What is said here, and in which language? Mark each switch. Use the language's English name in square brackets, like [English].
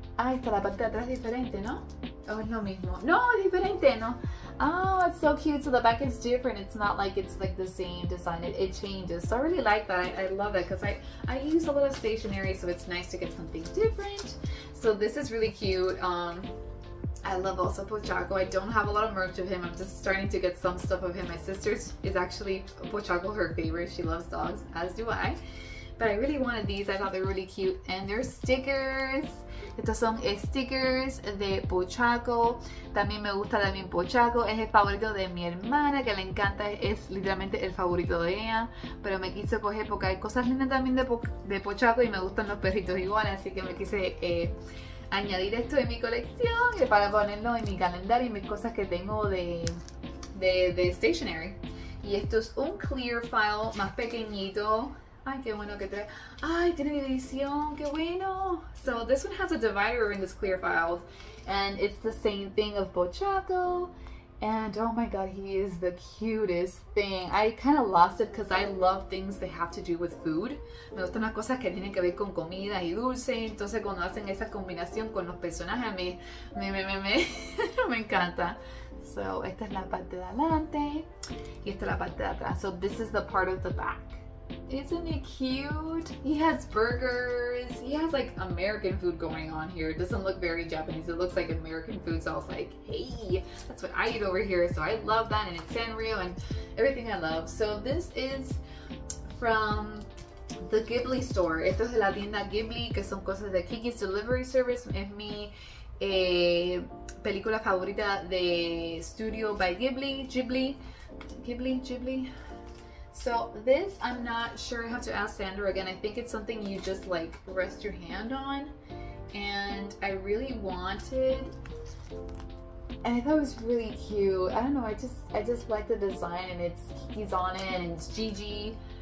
[Spanish] Ah, está la parte de atrás diferente, ¿no? ¿O es lo mismo? No, diferente, ¿no? [English] Oh, it's so cute. So the back is different. It's not like it's like the same design. It changes. So I really like that. I love that because I use a lot of stationery, so it's nice to get something different. So this is really cute. I love also Pochaco. I don't have a lot of merch of him. I'm just starting to get some stuff of him. My sister is actually Pochaco, her favorite. She loves dogs, as do I. But I really wanted these. I thought they were really cute. And they're stickers. [Spanish] Estos son stickers de Pochaco. También me gusta también Pochaco. Es el favorito de mi hermana, que le encanta. Es literalmente el favorito de ella. Pero me quise coger porque hay cosas lindas también de Pochaco y me gustan los perritos igual. Así que me quise añadir esto en mi colección para ponerlo en mi calendario y mis cosas que tengo de stationery. Y esto es un clear file más pequeñito. Ay, qué bueno que trae. Ay, tiene división, qué bueno. [English] So this one has a divider in this clear file, and it's the same thing of Pochaco. And oh my god, he is the cutest thing. I kind of lost it because I love things that have to do with food. [Spanish] Me gustan las cosas que tienen que ver con comida y dulce. Entonces cuando hacen esa combinación con los personajes, me encanta. So esta es la parte de adelante y esta es la parte de atrás. [English] So this is the part of the back. Isn't it cute? He has burgers. He has like American food going on here. It doesn't look very Japanese. It looks like American food. So I was like, hey, that's what I eat over here. So I love that. And it's Sanrio and everything I love. So this is from the Ghibli store. [Spanish] Esto es de la tienda Ghibli, que son cosas de Kiki's Delivery Service. Es mi película favorita de studio by Ghibli. [English] So this, I'm not sure. I have to ask Sandra again. I think it's something you just like rest your hand on, and I really wanted, and I thought it was really cute. I don't know, I just like the design, and it's Kiki's on it, and it's Gigi.